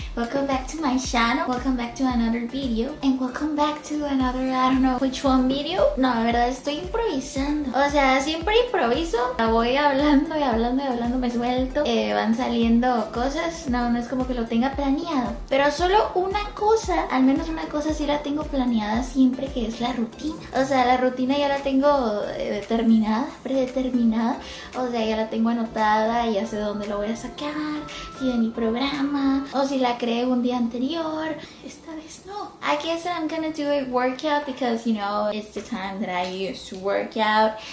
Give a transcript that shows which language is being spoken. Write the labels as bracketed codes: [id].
[en] Welcome back to my channel, welcome back to another video, and welcome back to another, I don't know which one video. [es] No, la verdad estoy improvisando, o sea, siempre improviso, voy hablando y hablando y hablando, me suelto, van saliendo cosas, no es como que lo tenga planeado, pero solo una cosa, al menos una cosa sí la tengo planeada siempre, que es la rutina. O sea, la rutina ya la tengo determinada, predeterminada, o sea, ya la tengo anotada, ya sé dónde lo voy a sacar, si de mi programa, o si la creé un día anterior. Esta vez no. [en] I guess I'm gonna do a workout because, you know, it's the time that I used to work out.